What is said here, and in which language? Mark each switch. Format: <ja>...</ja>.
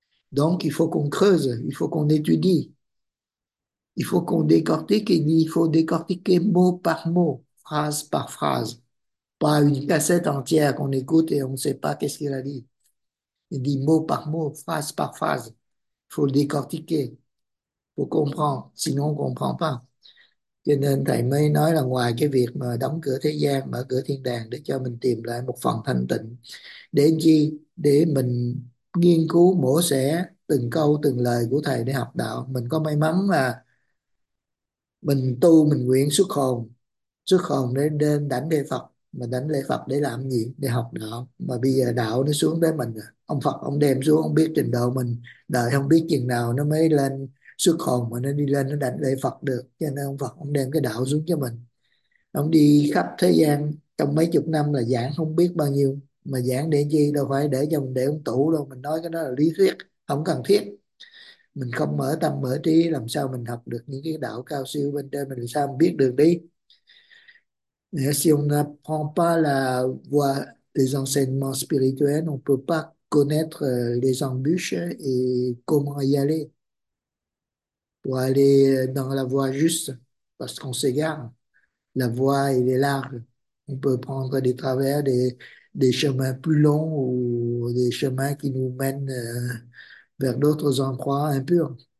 <fr>Donc, il faut qu'on creuse, il faut qu'on étudie, il faut qu'on décortique, il faut décortiquer mot par mot, phrase par phrase, pas une cassette entière qu'on écoute et on ne sait pas qu'est-ce qu'il a dit. Il dit mot par mot, phrase par phrase, il faut le décortiquer. Pour comprendre, sinon on comprend pas.</fr> <vi>Cho nên thầy mới nói là ngoài cái việc mà đóng cửa thế gian, mở cửa thiên đàng để cho mình tìm lại một phần thanh tịnh, để chi, để mình nghiên cứu mổ xẻ từng câu từng lời của thầy để học đạo. Mình có may mắn là mình tu, mình nguyện xuất hồn để đến đảnh lễ Phật, mà đảnh lễ Phật để làm gì, để học đạo. Mà bây giờ đạo nó xuống tới mình, ông Phật ông đem xuống, ông biết trình độ mình, đợi không biết chừng nào nó mới lên xuất hồn mà nó đi lên nó đảnh lễ Phật được. Cho nên ông Phật ông đem cái đạo xuống cho mình, ông đi khắp thế gian trong mấy chục năm là giảng không biết bao nhiêu, mà giảng để chi, đâu phải để cho mình để ông tụ đâu. Mình nói cái đó là lý thuyết không cần thiết, mình không mở tâm mở trí làm sao mình học được những cái đạo cao siêu bên trên mình, làm sao mình biết được đi.</vi> <fr>Si on n'apprend pas la voie des enseignements spirituels, on peut pas connaître les embûches et comment y aller pour aller dans la voie juste, parce qu'on s'égare. La voie, elle est large. On peut prendre des travers, des chemins plus longs ou des chemins qui nous mènent vers d'autres endroits impurs.</fr>